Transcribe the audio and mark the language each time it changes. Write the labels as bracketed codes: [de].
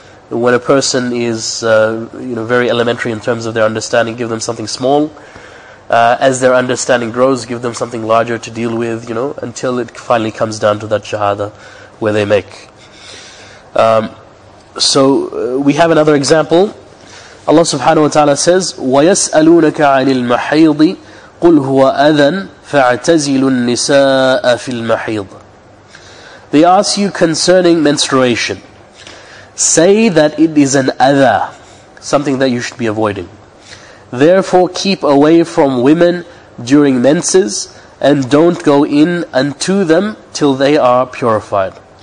[en] When a person is, you know, very elementary in terms of their understanding, give them something small. As their understanding grows, give them something larger to deal with, you know, until it finally comes down to that shahada where they make. So we have another example. Allah subhanahu wa ta'ala says, [ar] وَيَسْأَلُونَكَ عَنِ الْمَحِيضِ قُلْ هُوَ أَذًا فَاعْتَزِلُ النِّسَاءَ فِي الْمَحِيضِ. [en] They ask you concerning menstruation. Say that it is an adha, something that you should be avoiding. Therefore, keep away from women during menses and don't go in unto them till they are purified.